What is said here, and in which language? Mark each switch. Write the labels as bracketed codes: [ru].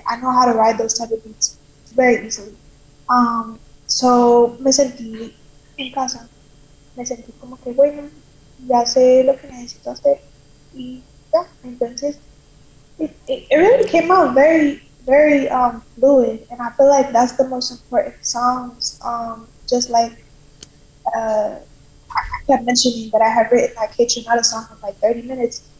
[en] I know how to ride those type of beats very easily. [es] So, me sentí en casa. Me sentí como que, bueno, ya sé lo que necesito hacer. Y ya, entonces, [en] it really came out very, very fluid. And I feel like that's the most important songs. Just like, I kept mentioning that I had written that Kitchen Out a song for like 30 minutes.